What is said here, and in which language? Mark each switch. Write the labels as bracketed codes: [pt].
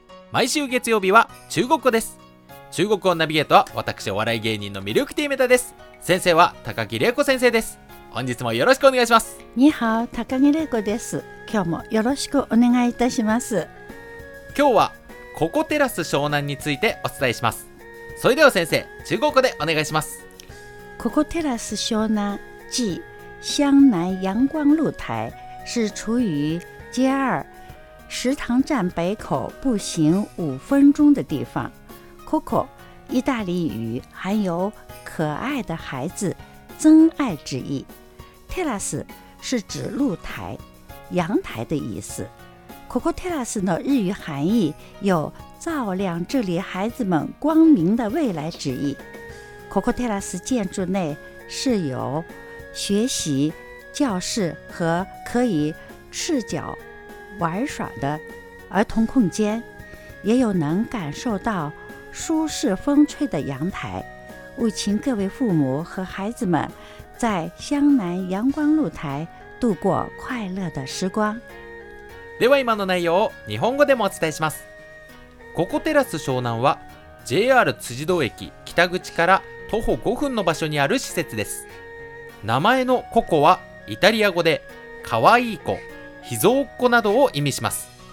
[ja] 毎週月曜日は中国語です。中国語ナビゲートは私お笑い芸人のミルクティーメタです。先生は高木玲子先生です。本日もよろしくお願いします。 [zh] 你好、 [ja] 高木玲子です。今日もよろしくお願いいたします。今日はココテラス湘南についてお伝えします。それでは先生、中国語でお願いします。 [zh] ココテラス湘南即湘南阳光露台，是处于街二食堂站北口步行五分钟的地方。 Coco， 意大利语含有可爱的孩子、真爱之意。 Terrace 是指露台、阳台的意思。 Coco Terrace 的日语含义有照亮这里孩子们光明的未来之意。 Coco Terrace 建筑内是有学习教室和可以赤脚玩耍的儿童空间，也有能感受到舒适风吹的阳台。务请各位父母和孩子们在湘南阳光露台度过快乐的时光。 [ja] では今の内容を日本語でもお伝えします。ココテラス湘南は JR 辻堂駅北口から徒歩5分の場所にある施設です。名前のココはイタリア語で可愛い子、秘蔵っ子などを意味します。